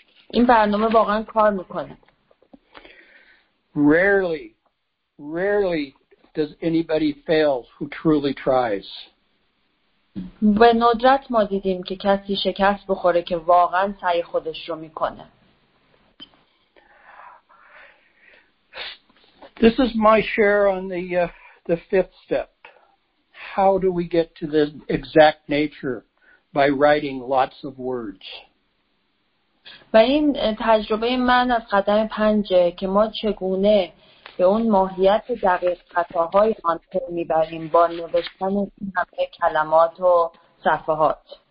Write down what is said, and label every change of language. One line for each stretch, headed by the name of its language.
Persian: این برنامه واقعا کار میکنه.
English: Rarely, rarely does anybody fail who truly tries.
Persian: و ندرت ما دیدیم که کسی شکست بخوره که واقعا سعی خودش رو میکنه.
English: This is my share on the fifth step. How do we get to the exact nature by writing lots of words?
Persian: و این تجربه من از قدم پنجه که ما چگونه به اون ماهیت دقیق خطاهای آن پر میبریم با نوشتن این همه کلمات و صفحات.